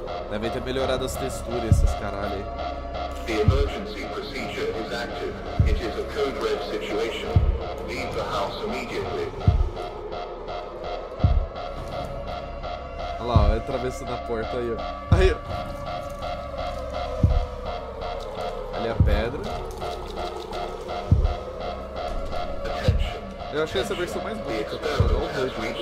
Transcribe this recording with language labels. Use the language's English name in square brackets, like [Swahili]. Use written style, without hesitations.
[Portuguese] Deve ter melhorado as texturas, essas caralho aí. [English] The emergency procedure is active. It is a code red situation. Leave the house immediately. [Portuguese] Olha lá, ó, atravessando a porta aí, ó. Aí, ó. Ali a pedra. Eu achei essa versão mais bonita, tá? Olha o HUD.